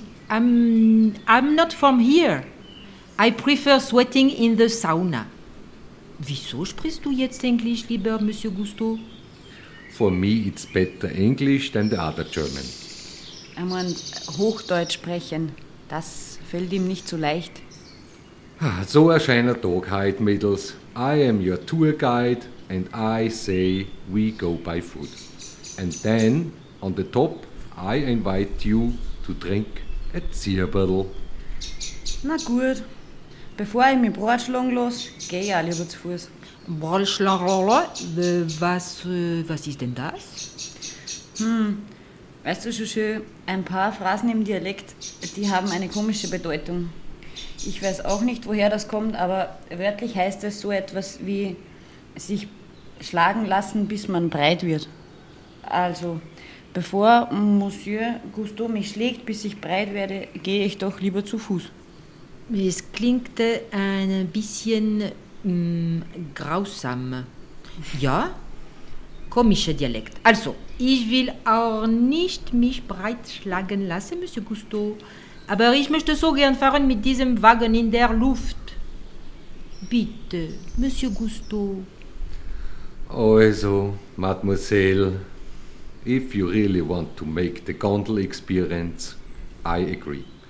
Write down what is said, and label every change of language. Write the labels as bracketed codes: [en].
[en] I'm not from here. I prefer sweating in the sauna. [de] Wieso sprichst du jetzt Englisch, lieber Monsieur Gusto? [en] For me it's better English than the other German. [de] Er meint Hochdeutsch sprechen, das fällt ihm nicht so leicht. So ein schöner Tag heute, Mädels. [en] I am your tour guide and I say we go by foot. And then, on the top, I invite you to drink a Zierbottle. [de] Na gut, bevor ich mit Brot schlagen lasse, gehe ich auch lieber zu Fuß. Brot schlagen, was ist denn das? Weißt du, Jeje, ein paar Phrasen im Dialekt, die haben eine komische Bedeutung. Ich weiß auch nicht, woher das kommt, aber wörtlich heißt es so etwas wie sich schlagen lassen, bis man breit wird. Also, bevor Monsieur Gusto mich schlägt, bis ich breit werde, gehe ich doch lieber zu Fuß. Es klingt ein bisschen grausam. Ja? Komischer Dialekt. Also, ich will auch nicht mich breit schlagen lassen, Monsieur Gusto. Aber ich möchte so gern fahren mit diesem Wagen in der Luft. Bitte, Monsieur Gusto. [en] Also, Mademoiselle, if you really want to make the gondola experience, I agree.